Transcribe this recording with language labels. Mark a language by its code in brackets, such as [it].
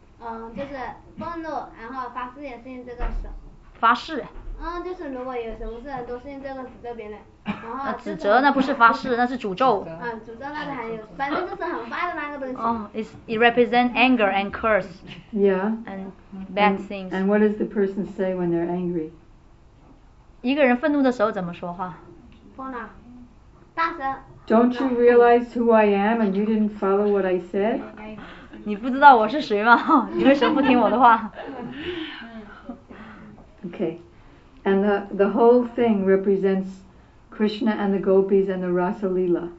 [zh] 嗯，就是愤怒，然后发誓也是用这个手。发誓。嗯，就是如果有什么事，都是用这个指责别人。然后指责那不是发誓，那是诅咒。嗯，诅咒那个还有，反正就是很坏的那个东西。 [en] It represents anger and curse. Yeah. And bad things. And what does the person say when they're angry？ [zh] 一个人愤怒的时候怎么说话？疯了。大声。 [en] Don't you realize who I am, and you didn't follow what I said? [zh] 你不知道我是谁吗？你为什么不听我的话？ [en] Okay, and the whole thing represents Krishna and the gopis and the Rasa Lila.